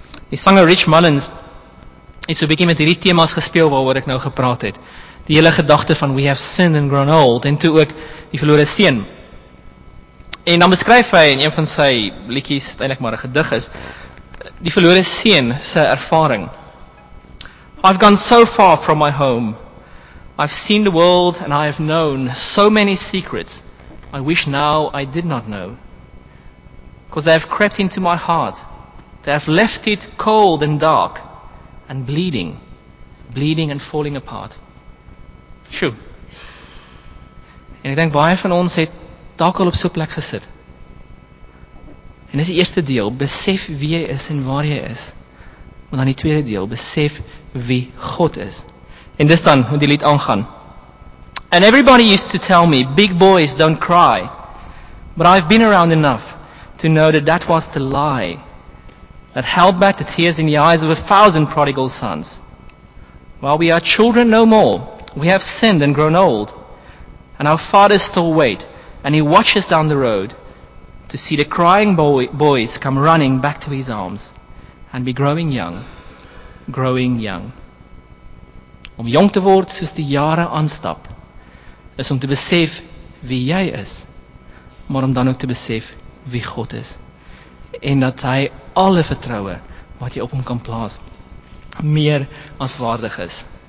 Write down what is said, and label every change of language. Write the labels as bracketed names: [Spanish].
[Afrikaans] Die sanger Rich Mullins het so bietjie met hierdie temas gespeel waaroor ek nou gepraat het. Die hele gedagte van [English] we have sinned and grown old [Afrikaans] en toe ook die verlore seun. En dan beskryf hy in een van sy liedjies, uiteindelik maar 'n gedig is, die verlore seun se ervaring. [English] I've gone so far from my home. I've seen the world and I have known so many secrets. I wish now I did not know. Because they have crept into my heart. They have left it cold and dark and bleeding. Bleeding and falling apart. Shoo. [Afrikaans] En ek dink baie van ons het dalk al op so 'n plek gesit. En dis die eerste deel, besef wie jy is en waar jy is. Maar dan die tweede deel, besef wie God is. En dis dan hoe die lied aangaan. [English] And everybody used to tell me, big boys don't cry. But I've been around enough to know that that was the lie that held back the tears in the eyes of 1,000 prodigal sons. While we are children no more, we have sinned and grown old. And our fathers still wait, and he watches down the road to see the crying boys come running back to his arms and be growing young, growing young. [Afrikaans] Om jong te word soos die jare aanstap, is om te besef wie jy is, maar om dan ook te besef wie God is. En dat hy alle vertroue wat jy op hom kan plaas, meer as waardig is.